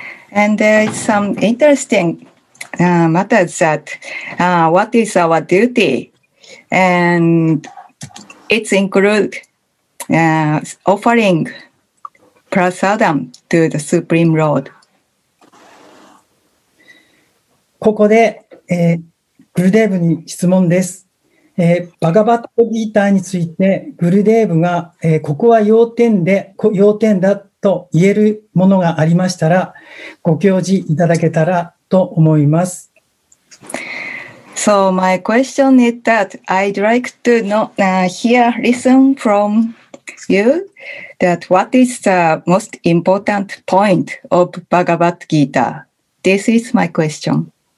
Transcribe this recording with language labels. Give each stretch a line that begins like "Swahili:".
English: And there is some interestingmatters that what is our duty and it's include offering prasadam to the Supreme Lord.
Japanese: ここで、グルデーブに質問です。バガバットギーターについてグルデーブが、ここは要点だと言えるものがありましたらご教示いただけたらと思います。
English: So my question is that I'd like to know, listen from you that what is the most important point of Bhagavad Gita? This is my question.